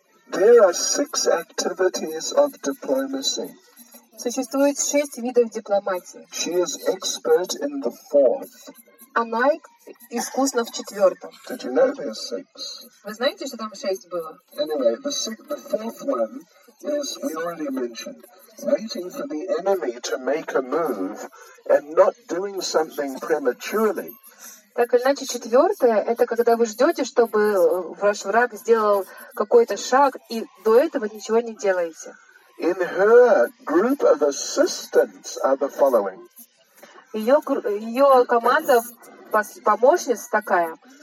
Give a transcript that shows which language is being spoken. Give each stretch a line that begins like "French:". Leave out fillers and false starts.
English: There are six activities of diplomacy.
Russian: Существует шесть видов дипломатии.
English: She is expert in the fourth.
Russian: Она искусна в четвертом.
English: Did you know there are six?
Russian: Вы знаете, что там шесть было?
English: Anyway, the fourth one is, we already mentioned, waiting for the enemy to make a move and not doing something prematurely.
Russian: Так или иначе, четвертое — это когда вы ждете, чтобы ваш враг сделал какой-то шаг, и до этого ничего не делаете.
English: In her group of assistants are the following.
Russian: Ее команда помощниц такая.